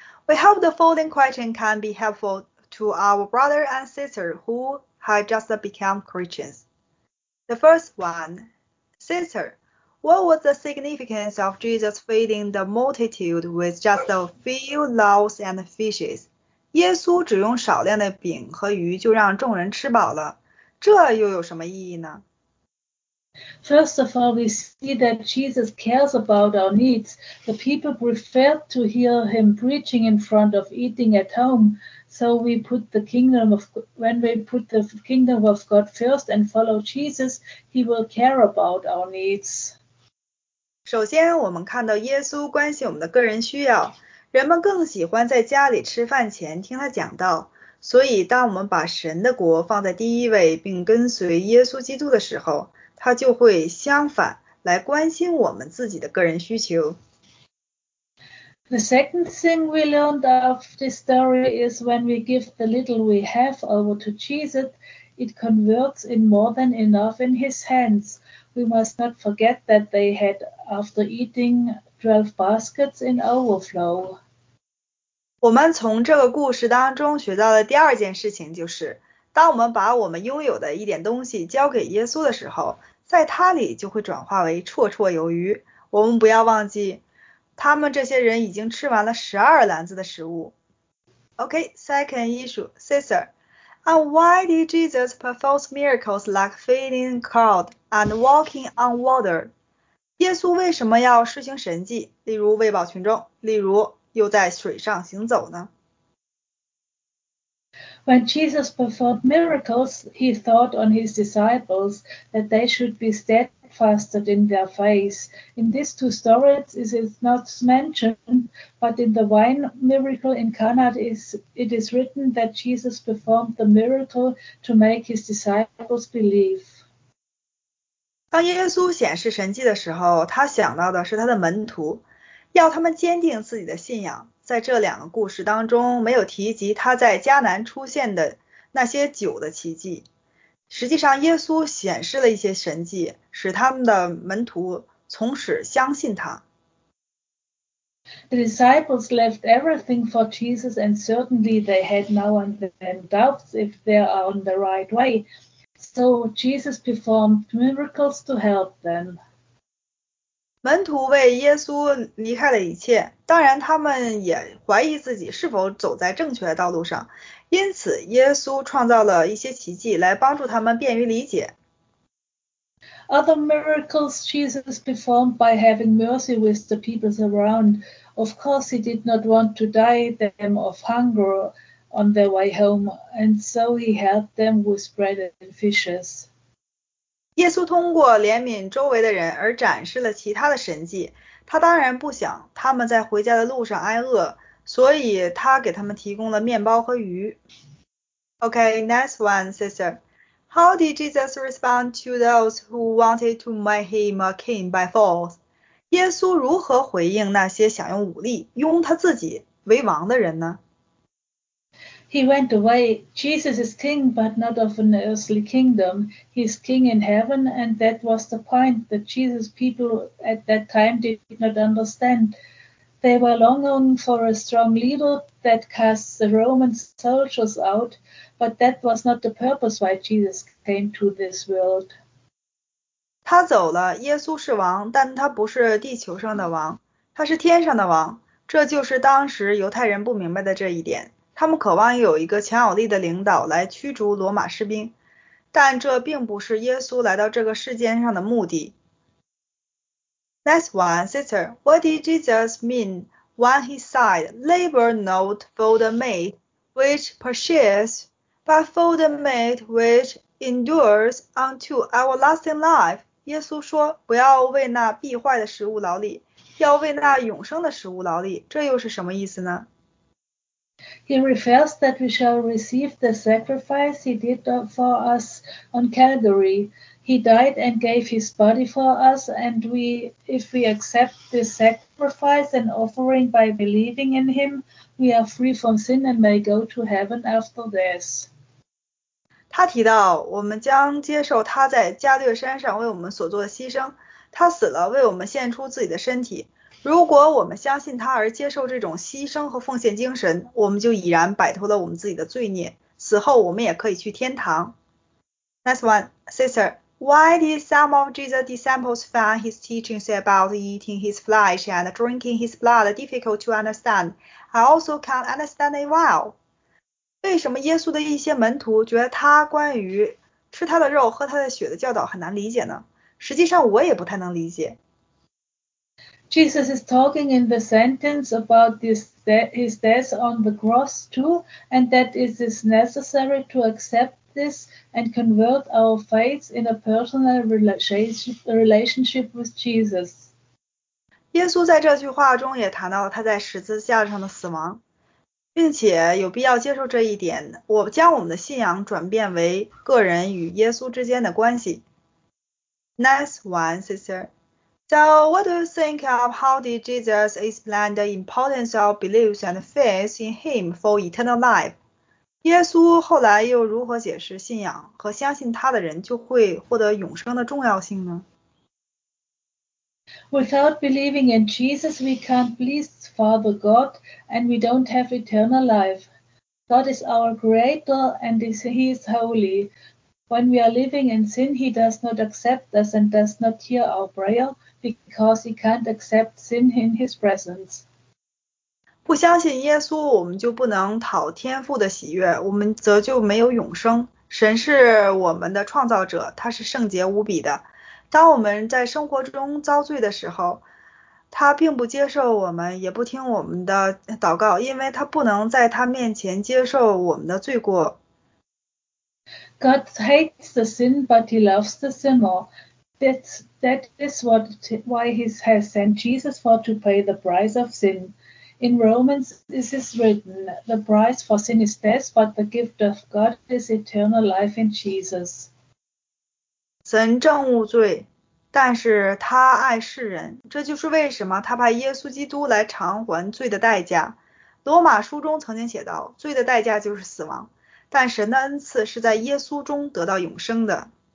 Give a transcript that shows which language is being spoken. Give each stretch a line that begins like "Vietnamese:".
English: We hope the following question can be helpful to our brother and sister who have just become Christians. The first one, sister, what was the significance of Jesus feeding the multitude with just a few loaves and fishes?
Chinese: 耶稣只用少量的饼和鱼就让众人吃饱了，这又有什么意义呢？
English: First of all, we see that Jesus cares about our needs. The people preferred to hear him preaching in front of eating at home. So when we put the kingdom of God first and follow Jesus, he will care about our needs.
Chinese: 首先，我们看到耶稣关心我们的个人需要。人们更喜欢在家里吃饭前听他讲道。所以，当我们把神的国放在第一位，并跟随耶稣基督的时候，他就会相反来关心我们自己的个人需求。
English: The second thing we learned of this story is when we give the little we have over to Jesus, it converts in more than enough in his hands. We must not forget that they had, after eating, 12 baskets in overflow.
Chinese: 我们从这个故事当中学到的第二件事情就是，当我们把我们拥有的一点东西交给耶稣的时候，在他里就会转化为绰绰有余。我们不要忘记，他们这些人已经吃完了12篮子的食物。
English: Okay, second issue, sister. And why did Jesus perform miracles like feeding crowd and walking on water?
Chinese: 耶稣为什么要施行神迹，例如喂饱群众，例如又在水上行走呢？
English: When Jesus performed miracles, he thought on his disciples that they should be steadfast in their faith. In these two stories, it is not mentioned, but in the wine miracle in Cana, it is written that Jesus performed the miracle to make his disciples believe.
Chinese: 当耶稣显示神迹的时候，他想到的是他的门徒，要他们坚定自己的信仰。在这两个故事当中，没有提及他在迦南出现的那些酒的奇迹。实际上，耶稣显示了一些神迹，使他们的门徒从此相信他。
English: The disciples left everything for Jesus, and certainly they had now and then doubts if they are on the right way. So Jesus performed miracles to help them.
Chinese: 门徒为耶稣离开了一切，当然他们也怀疑自己是否走在正确的道路上，因此耶稣创造了一些奇迹来帮助他们便于理解。
English: Other miracles Jesus performed by having mercy with the people around. Of course, he did not want to die them of hunger on their way home, and so he helped them with bread and fishes.
Chinese: 耶稣通过怜悯周围的人而展示了其他的神迹，他当然不想他们在回家的路上挨饿，所以他给他们提供了面包和鱼。
English: Okay, next one, sister. How did Jesus respond to those who wanted to make him a king by force?
Chinese: 耶稣如何回应那些想用武力拥他自己为王的人呢？
English: He went away. Jesus is king, but not of an earthly kingdom. He is king in heaven, and that was the point that Jesus' people at that time did not understand. They were longing for a strong leader that cast the Roman soldiers out, but that was not the purpose why Jesus came to this world.
Chinese: 他走了，耶稣是王，但他不是地球上的王，他是天上的王。这就是当时犹太人不明白的这一点。他们渴望有一个强有力的领导来驱逐罗马士兵，但这并不是耶稣来到这个世间上的目的。
English: Next one, sister, what did Jesus mean when he said, labor not for the meat which perishes, but for the meat which endures unto everlasting life?
Chinese: 耶稣说，不要为那必坏的食物劳力，要为那永生的食物劳力，这又是什么意思呢？
English: He refers that we shall receive the sacrifice he did for us on Calvary. He died and gave his body for us, and if we accept this sacrifice and offering by believing in him, we are free from sin and may go to heaven after this.
Chinese: 他提到，我们将接受他在加略山上为我们所做的牺牲。他死了，为我们献出自己的身体。如果我们相信他而接受这种牺牲和奉献精神，我们就已然摆脱了我们自己的罪孽。死后，我们也可以去天堂。
English: Next one, sister, why did some of Jesus' disciples find his teachings about eating his flesh and drinking his blood difficult to understand? I also can't understand it well.
Chinese: 为什么耶稣的一些门徒觉得他关于吃他的肉、喝他的血的教导很难理解呢？实际上，我也不太能理解。
English: Jesus is talking in the sentence about his death on the cross too, and that it is necessary to accept this and convert our faith in a personal relationship with Jesus.
Chinese: 耶稣在这句话中也谈到了他在十字架上的死亡，并且有必要接受这一点，我将我们的信仰转变为个人与耶稣之间的关系。
English: Next one, sister. So what do you think of how did Jesus explain the importance of beliefs and faith in him for eternal life?
Chinese: 耶稣后来又如何解释信仰和相信他的人就会获得永生的重要性呢？
English: Without believing in Jesus, we can't please Father God, and we don't have eternal life. God is our creator, and he is holy. When we are living in sin, he does not accept us and does not hear our prayer, because he can't accept sin in his presence.
Chinese: 不相信耶稣，我们就不能讨天父的喜悦，我们则就没有永生。神是我们的创造者，他是圣洁无比的。当我们在生活中遭罪的时候，他并不接受我们，也不听我们的祷告，因为他不能在他面前接受我们的罪过。
English: God hates the sin, but he loves the sinner. That is why he has sent Jesus for to pay the price of sin. In Romans, this is written, the price for sin is death, but the gift of God is eternal life in Jesus.
Chinese: 神憎恶罪，但是他爱世人，这就是为什么他派耶稣基督来偿还罪的代价。罗马书中曾经写道，罪的代价就是死亡，但神的恩赐是在耶稣中得到永生的。